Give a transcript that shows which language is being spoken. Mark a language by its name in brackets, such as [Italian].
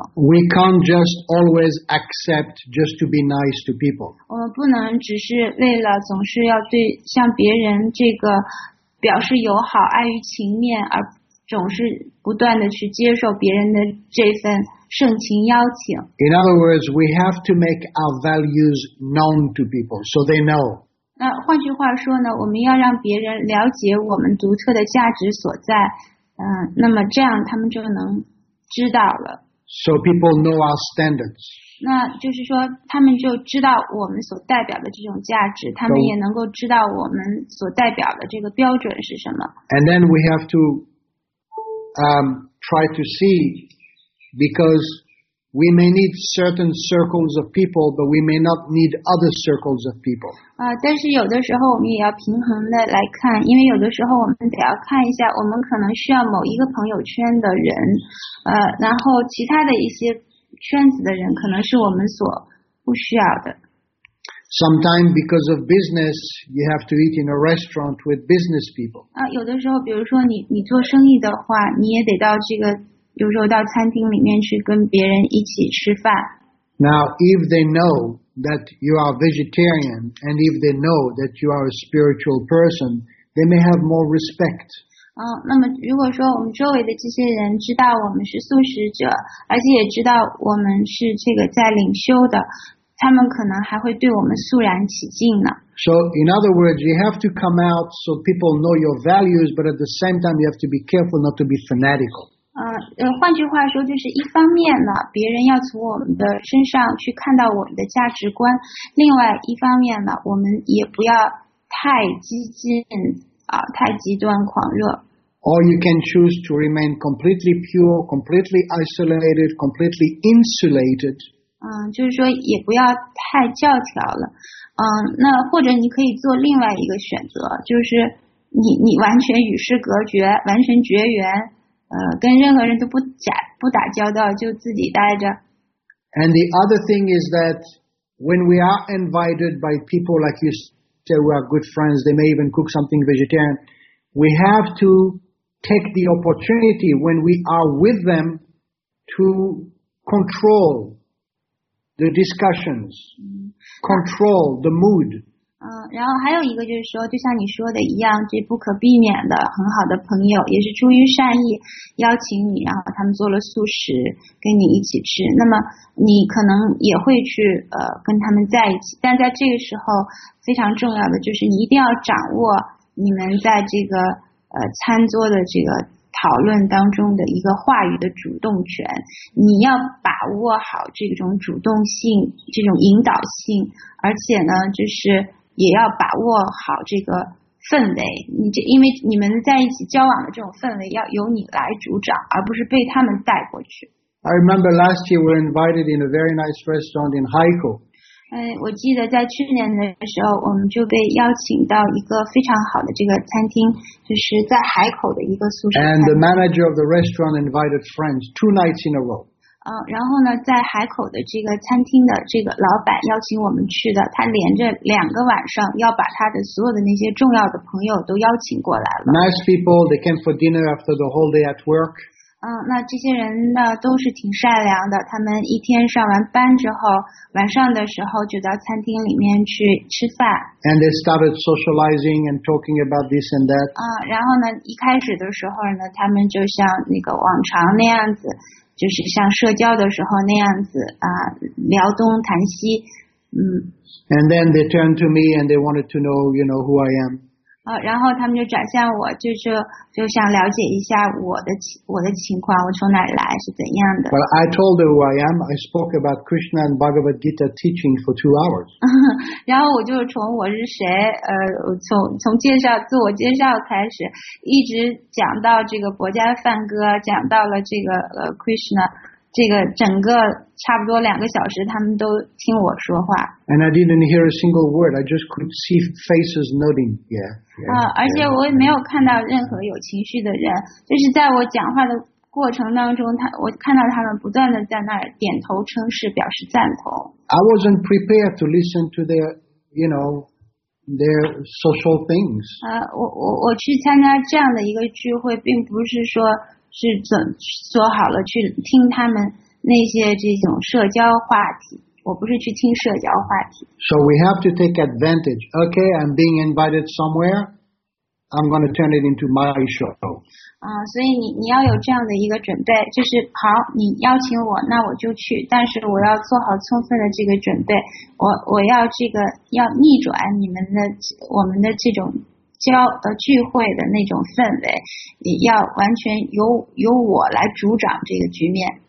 [English] We can't just always accept just to be nice to people. [Chinese] 我们不能只是为了总是要对向别人这个表示友好、碍于情面而总是不断的去接受别人的这份盛情邀请。 [English] In other words, we have to make our values known to people so they know. [Chinese] 那换句话说呢，我们要让别人了解我们独特的价值所在。那么这样他们就能知道了。 [English] So people know our standards. [Chinese] 那就是说他们就知道我们所代表的这种价值，他们也能够知道我们所代表的这个标准是什么。 [English] And then we have to, try to see, because we may need certain circles of people, but we may not need other circles of people. [Chinese] 但是有的时候我们也要平衡的来看，因为有的时候我们得要看一下，我们可能需要某一个朋友圈的人，然后其他的一些圈子的人可能是我们所不需要的。 [English] Sometimes because of business, you have to eat in a restaurant with business people. [Chinese] 有的时候，比如说你做生意的话，你也得到这个。有时候到餐厅里面去跟别人一起吃饭。 [English] Now, if they know that you are vegetarian, and if they know that you are a spiritual person, they may have more respect. [Chinese] 那么如果说我们周围的这些人知道我们是素食者，而且也知道我们是这个在领修的，他们可能还会对我们肃然起敬呢。 [English] So, in other words, you have to come out so people know your values, but at the same time, you have to be careful not to be fanatical. [Chinese] 换句话说，就是一方面呢，别人要从我们的身上去看到我们的价值观；另外一方面呢，我们也不要太激进啊，太极端狂热。 [English] Or you can choose to remain completely pure, completely isolated, completely insulated. [Chinese] 就是说也不要太教条了。那或者你可以做另外一个选择，就是你完全与世隔绝，完全绝缘。跟任何人都不打交道，就自己待着。 [English] And the other thing is that when we are invited by people like you say we are good friends, they may even cook something vegetarian, we have to take the opportunity when we are with them to control the discussions, control the mood. [Chinese] 然后还有一个就是说，就像你说的一样，这不可避免的，很好的朋友也是出于善意邀请你，然后他们做了素食跟你一起吃，那么你可能也会去跟他们在一起，但在这个时候非常重要的就是你一定要掌握你们在这个餐桌的这个讨论当中的一个话语的主动权，你要把握好这种主动性，这种引导性，而且呢就是也要把握好这个氛围，因为你们在一起交往的这种氛围要由你来主掌，而不是被他们带过去。 [English] I remember last year we were invited in a very nice restaurant in Haikou. [Chinese] 我记得在去年的时候，我们就被邀请到一个非常好的这个餐厅，就是在海口的一个素食餐厅。 [English] And the manager of the restaurant invited friends two nights in a row. [Chinese] 然后呢，在海口的这个餐厅的这个老板邀请我们去的，他连着两个晚上要把他的所有的那些重要的朋友都邀请过来了。 [English] Nice people, they came for dinner after the whole day at work. [Chinese] 那这些人呢都是挺善良的，他们一天上完班之后，晚上的时候就到餐厅里面去吃饭。 [English] And they started socializing and talking about this and that. [Chinese] 然后呢，一开始的时候呢，他们就像那个往常那样子。就是像社交的时候那样子聊东谈西， [English] And then they turned to me and they wanted to know, you know, who I am. [Chinese] 然后他们就转向我，就想了解一下我的情况，我从哪来，是怎样的。 [English] Well, I told them who I am. I spoke about Krishna and Bhagavad Gita teaching for 2 hours. [Chinese] 然后我就从我是谁，从介绍自我介绍开始，一直讲到这个薄伽梵歌，讲到了这个Krishna， 这个整个差不多2个小时，他们都听我说话。 [English] And I didn't hear a single word. I just could see faces nodding. Yeah. [Chinese] 而且我也没有看到任何有情绪的人，就是在我讲话的过程当中，我看到他们不断的在那儿点头称是，表示赞同。 [English] I wasn't prepared to listen to their, you know, their social things. [Chinese] 我去参加这样的一个聚会，并不是说是准做好了去听他们那些这种社交话题，我不是去听社交话题。 [English] So we have to take advantage. Okay, I'm being invited somewhere. I'm going to turn it into my show. [Chinese] 所以你要有这样的一个准备，就是好，你邀请我，那我就去，但是我要做好充分的这个准备，我要这个要逆转你们的我们的这种交的聚会的那种氛围，也要完全由我来主掌这个局面。